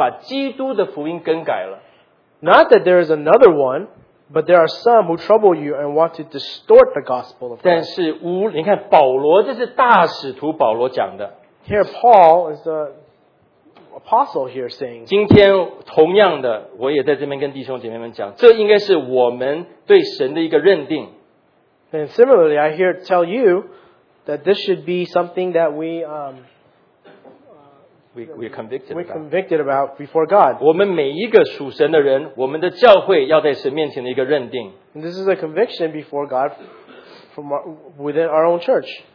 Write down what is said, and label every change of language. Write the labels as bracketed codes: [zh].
[zh] 这并不是福音，不过是有些人在搅扰你们，要把基督的福音更改了。 [en] Not that there is another one, but there are some who trouble you and want to distort the gospel of Christ. [zh] 但是，你看保罗，这是大使徒保罗讲的。 [en] Here Paul is the Apostle here saying, [zh] 今天同样的, 我也在这边跟弟兄姐妹们讲, 这应该是我们对神的一个认定。 [en] And similarly, I hear tell you that this should be something that we're convicted about before God. [zh] 我们每一个属神的人, 我们的教会要在神面前的一个认定。 [en] And this is a conviction before God from within our own church.